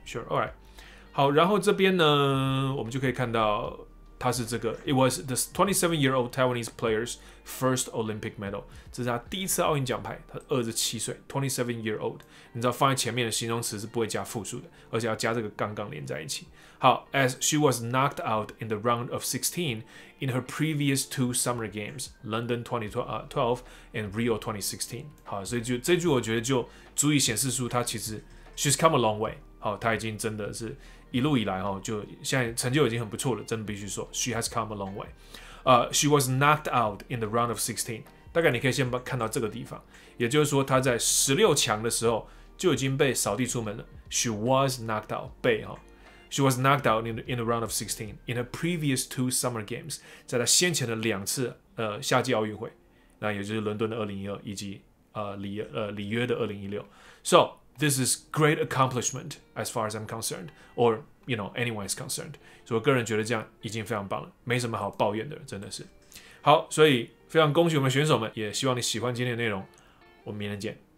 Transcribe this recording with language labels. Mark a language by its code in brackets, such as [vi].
[en] Sure， all right， [zh] 好，然后这边呢，我们就可以看到。他是这个 [en] ，It was the 27-year-old Taiwanese player's first Olympic medal。 [zh] 这是他第一次奥运奖牌。他27岁 ， [en] 27-year-old。 [zh] 你知道放在前面的形容词是不会加复数的，而且要加这个杠杠连在一起。 [en] 好 ，As she was knocked out in the round of 16 in her previous two Summer Games, London 2012 and Rio 2016。 [zh] 好，所以就这句我觉得就足以显示出他其实 [en] she's come a long way。 [zh] 好，他已经真的是。一路以来就现在成就已经很不错了，真的必须说 ， [en] She has come a long way。 She was knocked out in the round of 16。 [zh] 大概你可以先看到这个地方，也就是说她在16强的时候就已经被扫地出门了。 [en] She was knocked out， 被哈。She was knocked out in the round of 16 in her previous two summer games， [zh] 在她先前的两次夏季奥运会，那也就是伦敦的2012以及里约的2016。 [en] So this is great accomplishment as far as I'm concerned, or you know anyone is concerned. [zh] 所以我个人觉得这样已经非常棒了，没什么好抱怨的，真的是。好，所以非常恭喜我们选手们，也希望你喜欢今天的内容。我们明天见。